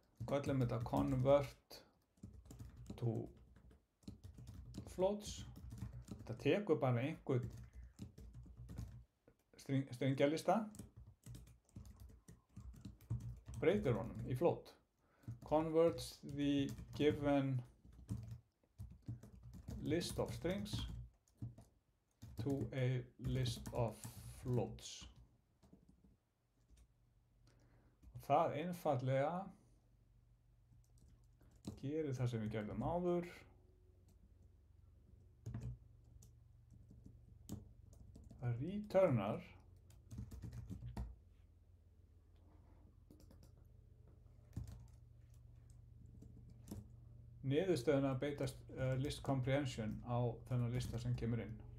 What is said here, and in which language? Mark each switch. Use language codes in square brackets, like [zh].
[is] Kallum þetta convert to floats. Þetta tekur bara einhver stringjalista, breytir honum í float. [en] Converts the given list of strings to a list of floats. [is] Það einfaldlega gerir það sem við gerðum áður. Það returnar niðurstöðuna að beita list comprehension á þennan lista sem kemur inn.